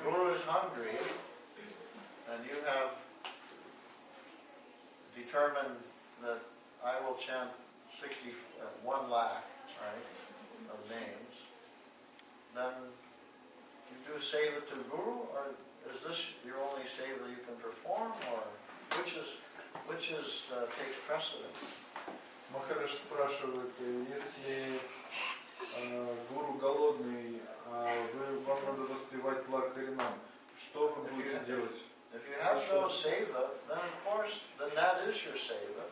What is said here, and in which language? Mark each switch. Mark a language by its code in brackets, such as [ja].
[en] Guru is hungry, and you have determined that I will chant 1 lakh, right, of names. Then you do seva to guru, or is this your only seva you can perform, or which is... Which is takes precedence? [ru] Махарадж спрашивает, если гуру голодный, вам надо воспевать лах харинам, что вы будете делать? [en] If you have no seva, then of course, then that is your seva.